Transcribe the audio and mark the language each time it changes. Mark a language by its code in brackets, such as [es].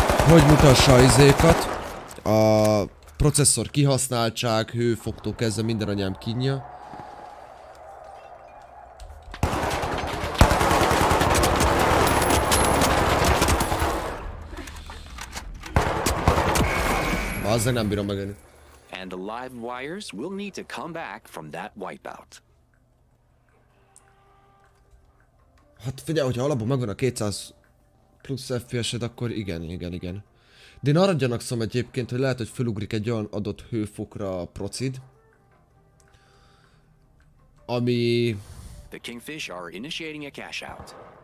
[hu] Hogy mutassa izékat. A processzor kihasználtság, hőfoktól kezdve minden anyám kinyja. Azért nem bírom megenni. [en] And the live wires will need to come back from that wipeout. [hu] Hát figyelj, hogyha alapból megvan a 200 plusz FPS-ed, akkor igen. De én arra gyanakszom egyébként, hogy lehet, hogy felugrik egy olyan adott hőfokra a procid. Ami... [en] The Kingfish are initiating a cash out.